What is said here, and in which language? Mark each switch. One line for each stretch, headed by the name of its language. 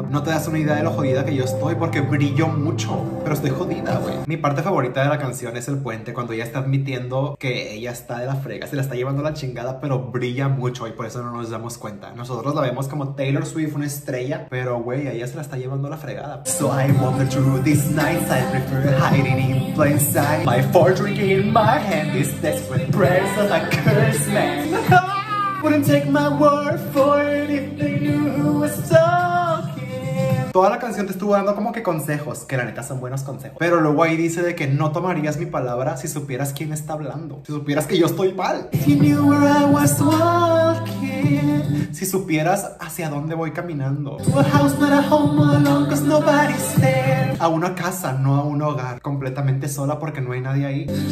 Spanish: No te das una idea de lo jodida que yo estoy, porque brillo mucho, pero estoy jodida, güey. Mi parte favorita de la canción es el puente, cuando ella está admitiendo que ella está de la frega, se la está llevando la chingada, pero brilla mucho, y por eso no nos damos cuenta. Nosotros la vemos como Taylor Swift, una estrella, pero, güey, ella se la está llevando la frega.
English: So I wander through these nights, I prefer hiding in plain sight. My fore drink in my hand, this desperate prayer's of a cursed man. Wouldn't take my word for it if they knew who was talking.
Spanish: Toda la canción te estuvo dando como que consejos, que la neta son buenos consejos. Pero luego ahí dice de que no tomarías mi palabra si supieras quién está hablando. Si supieras que yo estoy mal.
English: If you knew where I was walking.
Spanish: Si supieras hacia dónde voy caminando.
English: To a house, not a home, all alone, 'cause nobody's there.
Spanish: A una casa, no a un hogar. Completamente sola porque no hay nadie ahí.